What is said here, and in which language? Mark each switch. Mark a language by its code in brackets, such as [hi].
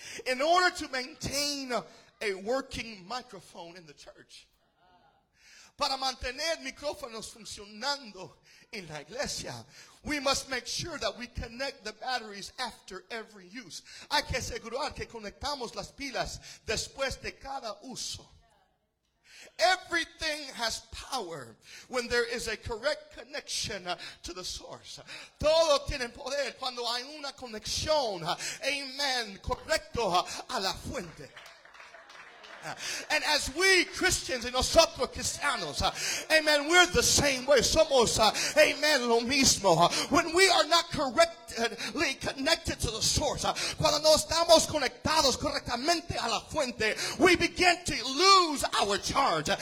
[en] In order to maintain a working microphone in the church, [es] para mantener micrófonos funcionando en la iglesia, [en] we must make sure that we connect the batteries after every use. [es] Hay que asegurar que conectamos las pilas después de cada uso. [en] Everything has power when there is a correct connection to the source. [es] Todo tiene poder cuando hay una conexión, amen, correcto a la fuente. [en] And as we Christians [es] y nosotros cristianos, amen, [en] we're the same way. [es] Somos, amen, lo mismo. [en] When we are not correctly connected to the source, [es] cuando no estamos conectados correctamente a la fuente, [en] we begin to lose our charge.